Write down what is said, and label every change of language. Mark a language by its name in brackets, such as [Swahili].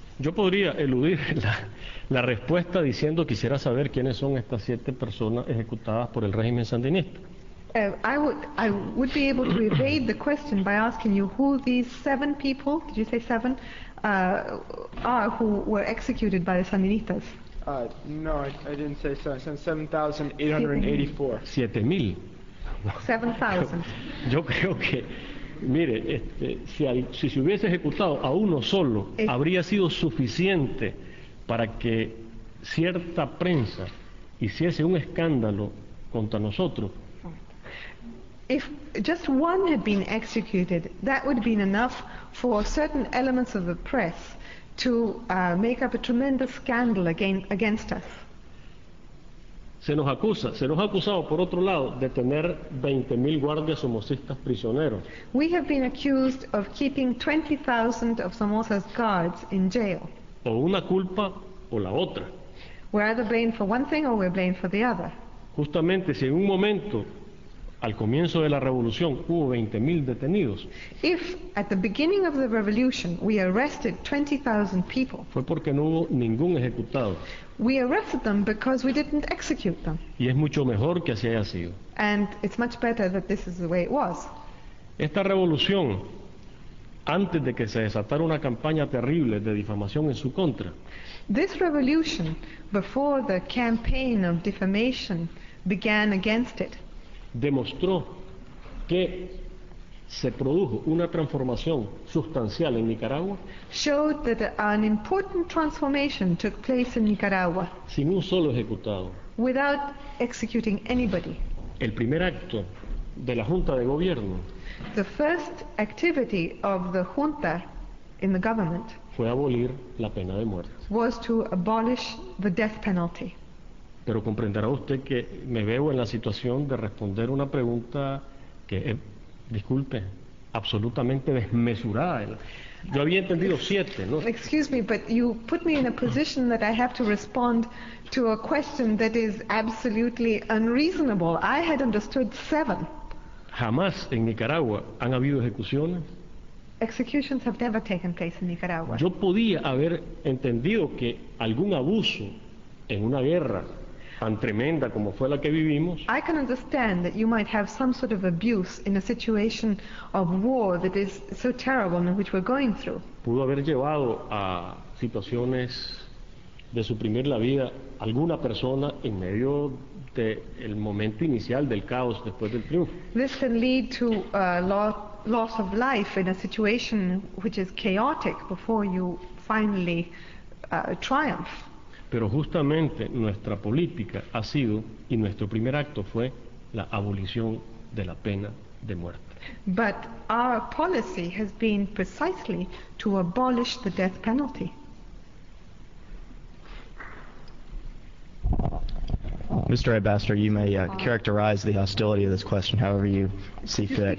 [Spanish] Yo podría eludir la respuesta diciendo quisiera saber quiénes son estas siete personas ejecutadas por el régimen sandinista. [English] I would be able to evade the question by asking you who these seven people, did you say seven, are who were executed by the Sandinistas. No, I didn't say so. I said 7,884. 7,000. [Spanish] 7,000. Yo creo que, mire, si se hubiese ejecutado a uno solo, habría sido suficiente para que cierta prensa hiciese un escándalo contra nosotros. [English] If just one had been executed, that would have been enough for certain elements of the press to make up a tremendous scandal against us. [Spanish] Se nos ha acusado por otro lado de tener 20,000 guardias somocistas prisioneros. [English] We have been accused of keeping 20,000 of Somoza's guards in jail. [Spanish] O una culpa o la otra. [English] We're either blamed for one thing or we're blamed for the other. [Spanish] Justamente si en un momento al comienzo de la revolución hubo 20,000 detenidos. [English] If at the beginning of the revolution we arrested 20,000 people. [Spanish] Fue porque no hubo ningún ejecutado. [English] We arrested them because we didn't execute them. [Spanish] Y es mucho mejor que así haya sido. [English] And it's much better that this is the way it was. [Spanish] Esta revolución, antes de que se desatara una campaña terrible de difamación en su contra. [English] This revolution, before the campaign of defamation began against it, [Spanish] demostró que se produjo una transformación sustancial en Nicaragua. [English] Showed that an important transformation took place in Nicaragua. [Spanish] Sin un solo ejecutado. [English] Without executing anybody. [Spanish] El primer acto de la Junta de Gobierno. [English] The first activity of the Junta in the government. [Spanish] Fue abolir la pena de muerte. [English] Was to abolish the death penalty. [Spanish] Pero comprenderá usted que me veo en la situación de responder una pregunta que es, disculpe, absolutamente desmesurada. Yo había entendido siete, ¿no? [English] Excuse me, but you put me in a position that I have to respond to a question that is absolutely unreasonable. I had understood seven. [Spanish] Jamás en Nicaragua han habido ejecuciones. [English] Executions have never taken place in Nicaragua. [Spanish] Yo podía haber entendido que algún abuso en una guerra tan tremenda como fue la que vivimos. [English] I can understand that you might have some sort of abuse in a situation of war that is so terrible and which we're going through. [Spanish] Pudo haber llevado a situaciones de suprimir la vida alguna persona en medio del momento inicial del caos después del triunfo. [English] This can lead to loss of life in a situation which is chaotic before you finally triumph. [Spanish] Pero justamente nuestra política ha sido, y nuestro primer acto fue, la abolición de la pena de muerte. [English] But our policy has been precisely to abolish the death penalty. Mr. Ambassador, you may characterize the hostility of this question however you see fit.